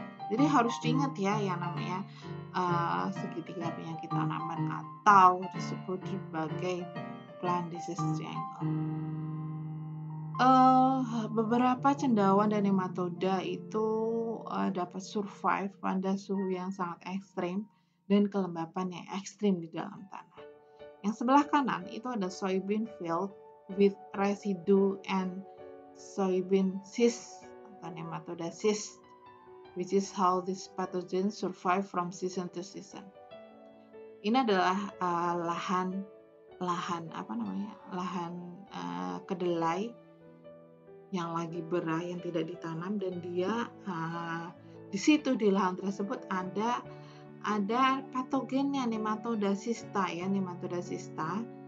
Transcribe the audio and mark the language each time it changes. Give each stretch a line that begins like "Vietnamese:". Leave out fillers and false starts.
Indonesian: Jadi harus diingat ya yang namanya segitiga penyakit tanaman atau disebut sebagai plant disease triangle. Beberapa cendawan dan nematoda itu dapat survive pada suhu yang sangat ekstrim dan kelembapan yang ekstrim di dalam tanah. Yang sebelah kanan itu ada
English: soybean field with residue and soybean cyst atau nematoda cyst, which is how this pathogen survive from season to season.
Indonesian: Ini adalah lahan kedelai yang lagi berah yang tidak ditanam, dan dia di situ di lahan tersebut ada patogennya, nematoda cysta ya, nematoda cysta.